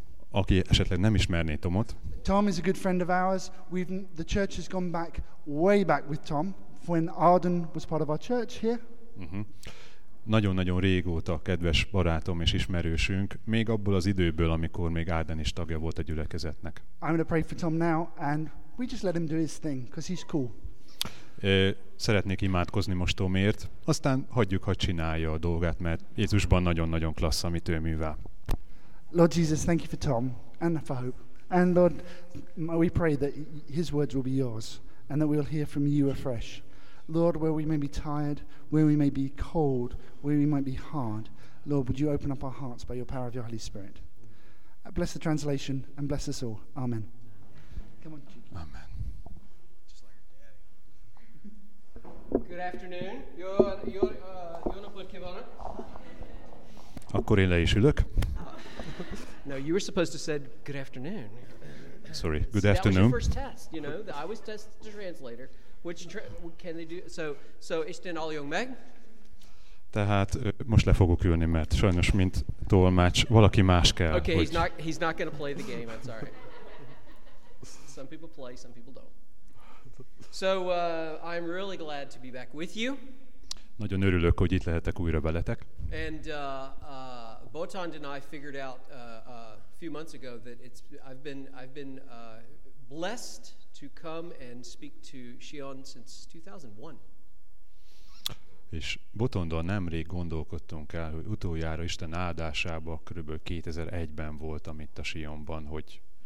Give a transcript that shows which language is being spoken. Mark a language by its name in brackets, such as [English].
[Hungarian] aki esetleg nem ismerné Tomot, [English] Tom is a good friend of ours. The church has gone back way back with Tom when Arden was part of our church here. [Hungarian] Nagyon-nagyon régóta kedves barátom és ismerősünk, még abból az időből, amikor még Arden is tagja volt a gyülekezetnek. [English] I'm going to pray for Tom now and we just let him do his thing because he's cool. [Hungarian] Szeretnék imádkozni most Tomért, aztán hagyjuk, hogy csinálja a dolgát, mert Jézusban nagyon-nagyon klassz, amit ő művel. [English] Lord Jesus, thank you for Tom and for hope. And Lord, we pray that his words will be yours and that we'll hear from you afresh. Lord, where we may be tired, where we may be cold, where we might be hard, Lord, would you open up our hearts by your power of your Holy Spirit. Bless the translation and bless us all. Amen. Come on, Jesus. Amen. Good afternoon. [Hungarian] Jó napot kívánok. Akkor én le is ülök. [English] No, you were supposed to say good afternoon. Sorry, good afternoon. That was your first test, you know. I was test the translator. Which can they do? So isten all young meg? [Hungarian] Tehát most le fogok ülni, mert sajnos mint tolmács valaki más kell. [English] Okay, he's not going to play the game. That's all right. Some people play, some people don't. So I'm really glad to be back with you. [Hungarian] Nagyon örülök, hogy itt lehetek újra veletek. [English] And Botond and I figured out a few months ago that I've been blessed to come and speak to Sion since 2001. [Hungarian] És Botondon nemrég gondolkodtunk el, hogy utoljára Isten áldásába körülbelül 2001-ben voltam itt a Sionban, hogy